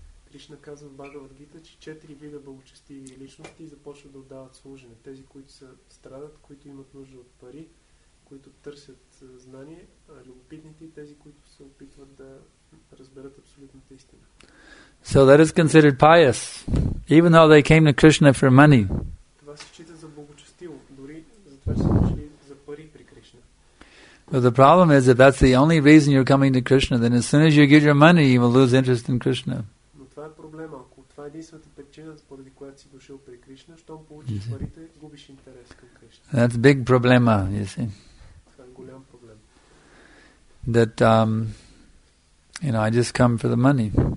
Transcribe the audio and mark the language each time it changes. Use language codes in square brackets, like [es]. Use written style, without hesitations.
[en] Krishna says in Bhagavad Gita that four kinds of blessed personalities start to give service: those who are suffering, those who have need of money, [bg] които търсят знание, а любопитните и тези, които се опитват да разберат абсолютната истина. [en] So that is considered pious, even though they came to Krishna for money. [bg] Това се счита за благочестиво, дори затова са дошли за пари при Кришна. [en] But the problem is, if that's the only reason you're coming to Krishna, then as soon as you give your money, you will lose interest in Krishna. [bg] Но това е проблема. Ако това е единствената причина, поради която си дошъл при Кришна, щом получиш парите, губиш интерес към Кришна. [en] That's big problema, you see. That I just come for the money.